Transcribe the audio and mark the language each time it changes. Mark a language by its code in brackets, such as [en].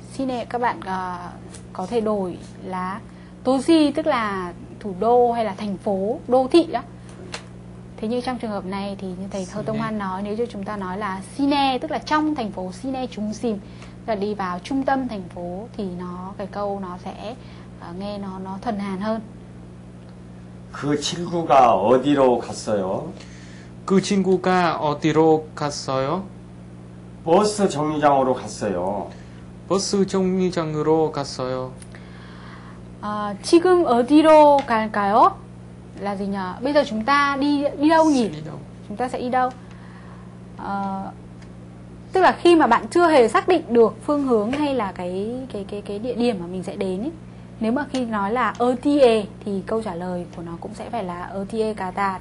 [vi] 시내. Các bạn có thể đổi là 도시 tức là thủ đô hay là thành phố, đô thị đó. Thế nhưng trong trường hợp này thì như thầy Thơ Tông Hoan nói, nếu như chúng ta nói là 시내 tức là trong thành phố, 시내 중심 là đi vào trung tâm thành phố, thì nó cái câu nó sẽ nghe nó thuần hàn hơn. [ko] 그 친구가 어디로 갔어요? 그 친구가 어디로 갔어요? 버스 정류장으로 갔어요. 버스 정류장으로 갔어요. 아, 지금 어디로 갈까요? [vi] Là gì nhỉ? Bây giờ chúng ta đi đâu nhỉ? Chúng ta sẽ đi đâu? Tức là khi mà bạn chưa hề xác định được phương hướng hay là cái địa điểm mà mình sẽ đến ấy. Nếu mà khi nói là OTA thì câu trả lời của nó cũng sẽ phải là OTA Kata.